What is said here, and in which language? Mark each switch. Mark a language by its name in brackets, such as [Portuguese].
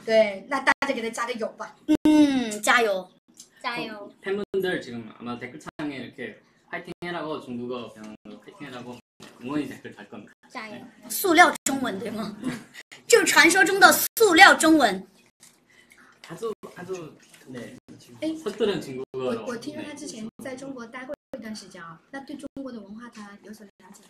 [Chinese] 对那大家给他加个油吧加油加油 [Korean] 팬분들지금아마댓글창에이렇게화이팅해라고중국어그냥화이팅해라고응원의댓글달겁니다 [Chinese] 加油塑料中文对吗就传说中的塑料中文 [Korean] 아주네헛들은중국어로 [Chinese] 我听说他之前在中国待过一段时间那对中国的文化他有所了解